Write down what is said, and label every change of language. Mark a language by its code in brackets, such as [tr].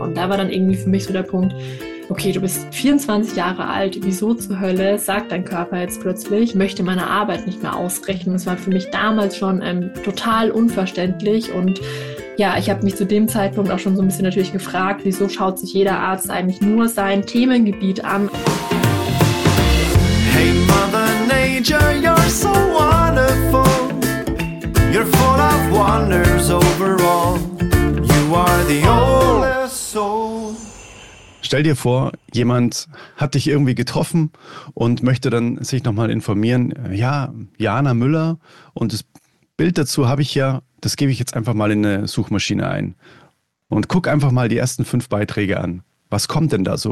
[de] Und da war dann irgendwie für mich so der Punkt, okay, du bist 24 Jahre alt, wieso zur Hölle, sagt dein Körper jetzt plötzlich, ich möchte meine Arbeit nicht mehr ausrichten. Das war für mich damals schon total unverständlich und ja, ich habe mich zu dem Zeitpunkt auch schon so ein bisschen natürlich gefragt, wieso schaut sich jeder Arzt eigentlich nur sein Themengebiet an. [en] Hey Mother Nature, you're so wonderful, you're full of wonders overall, you are the oldest soul. [de] Stell dir vor, jemand hat dich irgendwie getroffen und möchte dann sich nochmal informieren. Ja, Jana Müller, und das Bild dazu habe ich ja, das gebe ich jetzt einfach mal in eine Suchmaschine ein. Und guck einfach mal die ersten 5 Beiträge an. Was kommt denn da so?